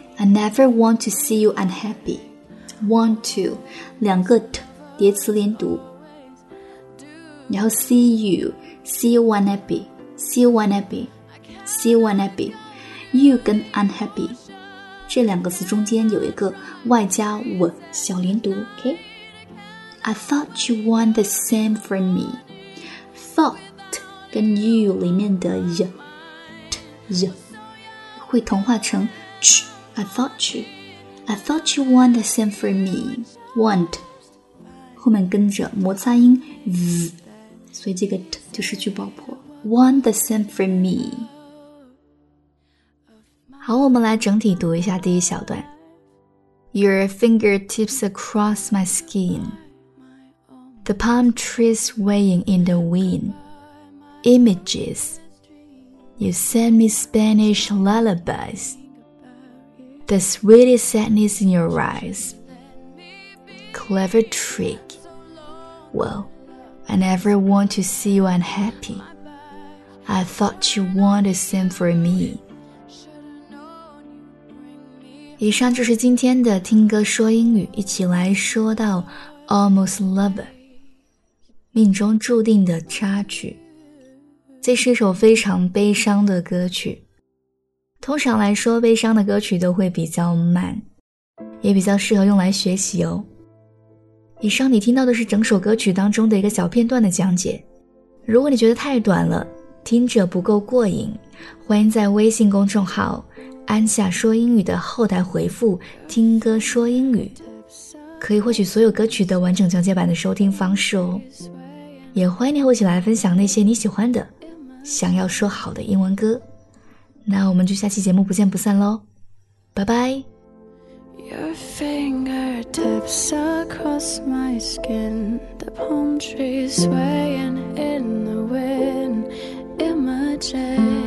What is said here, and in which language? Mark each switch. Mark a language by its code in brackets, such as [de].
[en] I never want to see you unhappyWant to [zh] 两个 [en] t [zh] 叠词连读，然后 [en] see you， see you unhappy， see you unhappy， see you unhappy， you 跟 unhappy [zh] 这两个词中间有一个外加 [en] w [zh] 小连读， [en] OK。 I thought you want the same from me， thought 跟 you [zh] 里面的 [en] y t y [zh] 会同化成 [en] ch， I thought youI thought you want the same for me. [zh] Want 后面跟着摩擦音 z， 所以这个 t 就失去爆破。 [en] Want the same for me. [zh] 好，我们来整体读一下第一小段。 [en] Your fingertips across my skin. The palm trees swaying in the wind. Images. You send me Spanish lullabies. The sweetest sadness in your eyes. Clever trick. Well, I never want to see you unhappy. I thought you wanted the same for me. [zh] 以上就是今天的听歌说英语，一起来说到 Almost Lover， 命中注定的插曲。这是一首非常悲伤的歌曲，通常来说悲伤的歌曲都会比较慢，也比较适合用来学习哦。以上你听到的是整首歌曲当中的一个小片段的讲解，如果你觉得太短了，听着不够过瘾，欢迎在微信公众号安夏说英语的后台回复听歌说英语，可以获取所有歌曲的完整讲解版的收听方式哦。也欢迎你和我一起来分享那些你喜欢的想要说好的英文歌，那我们就下期节目不见不散咯，拜拜。 [en] Your fingertips across my skin, the palm tree swaying in the wind, images.